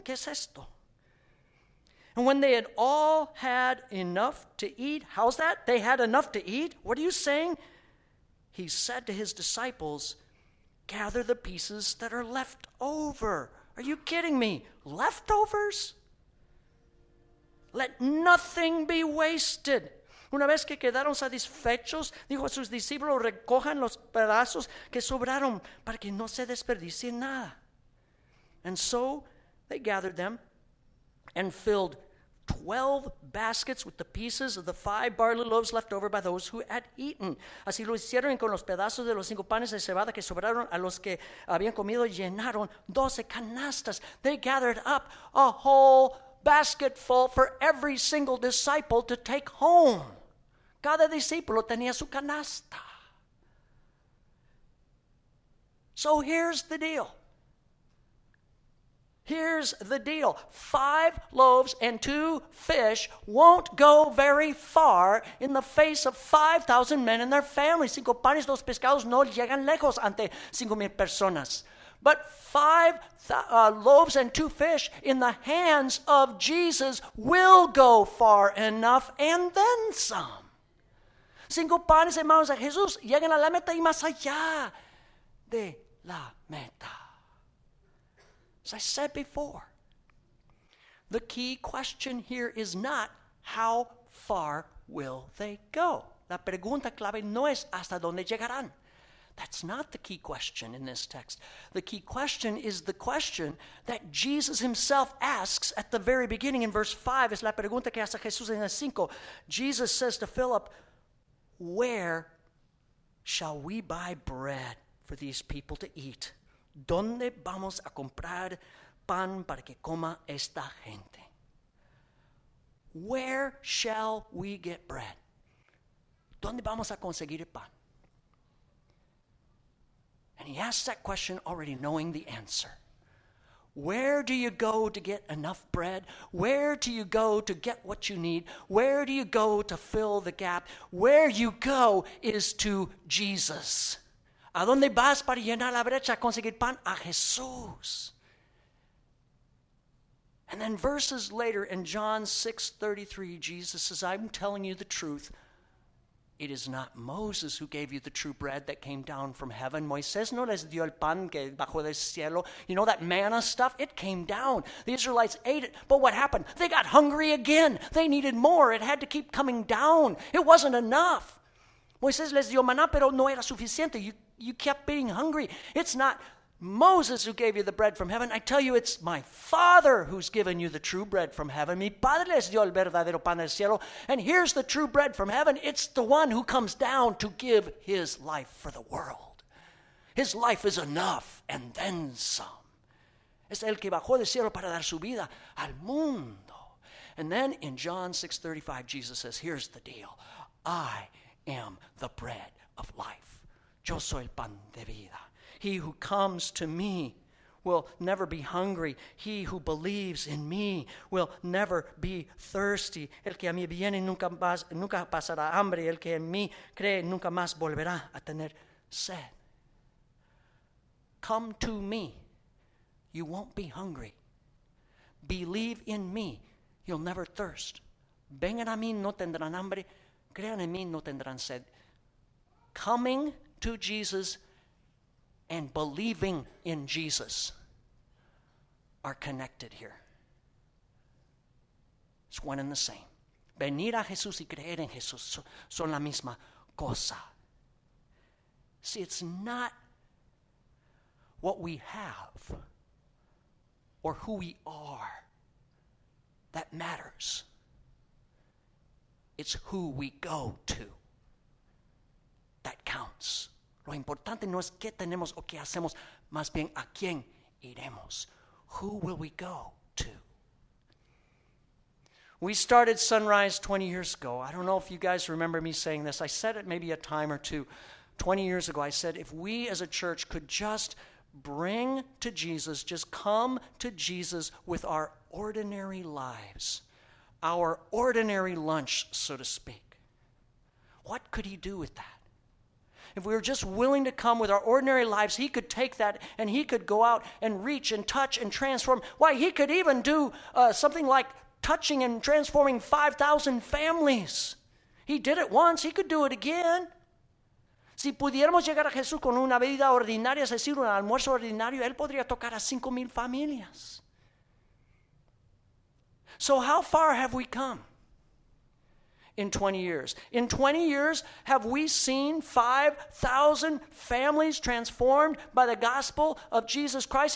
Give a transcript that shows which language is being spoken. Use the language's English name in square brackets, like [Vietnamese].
[Spanish] ¿Qué es esto? [English] And when they had all had enough to eat, how's that? They had enough to eat? What are you saying? He said to his disciples, gather the pieces that are left over. Are you kidding me? Leftovers? Let nothing be wasted. [Spanish] Una vez que quedaron satisfechos, dijo a sus discípulos, recojan los pedazos que sobraron para que no se desperdicie nada. [English] And so they gathered them and filled 12 baskets with the pieces of the 5 barley loaves left over by those who had eaten. [Spanish] Así lo hicieron con los pedazos de los 5 panes de cebada que sobraron a los que habían comido, llenaron 12 canastas. [English] They gathered up a whole basket full for every single disciple to take home. [Spanish] Cada discípulo tenía su canasta. [English] So here's the deal. Here's the deal. 5 loaves and 2 fish won't go very far in the face of 5,000 men and their families. [Spanish] 5 panes, 2 pescados no llegan lejos ante 5,000 personas. [English] But 5 loaves and 2 fish in the hands of Jesus will go far enough and then some. [Spanish] 5 panes en manos de Jesús llegan a la meta y más allá de la meta. [English] As I said before, the key question here is not how far will they go. [Spanish] La pregunta clave no es hasta dónde llegarán. [English] That's not the key question in this text. The key question is the question that Jesus himself asks at the very beginning in verse 5. [Spanish] Es la pregunta que hace Jesús en el 5. [English] Jesus says to Philip, where shall we buy bread for these people to eat? [Spanish] ¿Dónde vamos a comprar pan para que coma esta gente? [English] Where shall we get bread? [Spanish] ¿Dónde vamos a conseguir pan? [English] And he asks that question already knowing the answer. Where do you go to get enough bread? Where do you go to get what you need? Where do you go to fill the gap? Where you go is to Jesus. [Spanish] ¿A dónde vas para llenar la brecha a conseguir pan? A Jesús. [English] And then verses later in John 6:33, Jesus says, I'm telling you the truth. It is not Moses who gave you the true bread that came down from heaven. [Spanish] Moisés no les dio el pan que bajó del cielo. [English] You know that manna stuff? It came down. The Israelites ate it. But what happened? They got hungry again. They needed more. It had to keep coming down. It wasn't enough. [Spanish] Moisés les dio maná, pero no era suficiente. [English] You kept being hungry. It's not Moses who gave you the bread from heaven. I tell you, it's my Father who's given you the true bread from heaven. [Spanish] Mi Padre les dio el verdadero pan del cielo. [English] And here's the true bread from heaven. It's the one who comes down to give his life for the world. His life is enough and then some. [Spanish] Es el que bajó del cielo para dar su vida al mundo. [English] And then in John 6:35, Jesus says, here's the deal. I am the bread of life. [Spanish] Yo soy el pan de vida. [English] He who comes to me will never be hungry. He who believes in me will never be thirsty. [Spanish] El que a mí viene nunca pasará hambre. El que en mí cree nunca más volverá a tener sed. [English] Come to me. You won't be hungry. Believe in me. You'll never thirst. [Spanish] Vengan a mí, no tendrán hambre. Crean en mí, no tendrán sed. [English] Coming to Jesus and believing in Jesus are connected here. It's one and the same. [Spanish] Venir a Jesús y creer en Jesús son la misma cosa. [English] See, it's not what we have or who we are that matters. It's who we go to that counts. [Spanish] Lo importante no es qué tenemos o qué hacemos, más bien a quién iremos. [English] Who will we go to? We started Sunrise 20 years ago. I don't know if you guys remember me saying this. I said it maybe a time or two. 20 years ago, I said if we as a church could just bring to Jesus, just come to Jesus with our ordinary lives, our ordinary lunch, so to speak, what could he do with that? If we were just willing to come with our ordinary lives, he could take that and he could go out and reach and touch and transform. Why, he could even do something like touching and transforming 5,000 families. He did it once. He could do it again. [Spanish] Si pudiéramos llegar a Jesús con una vida ordinaria, es decir, un almuerzo ordinario, él podría tocar a 5,000 familias. [English] So how far have we come? In 20 years. In 20 years, have we seen 5,000 families transformed by the gospel of Jesus Christ?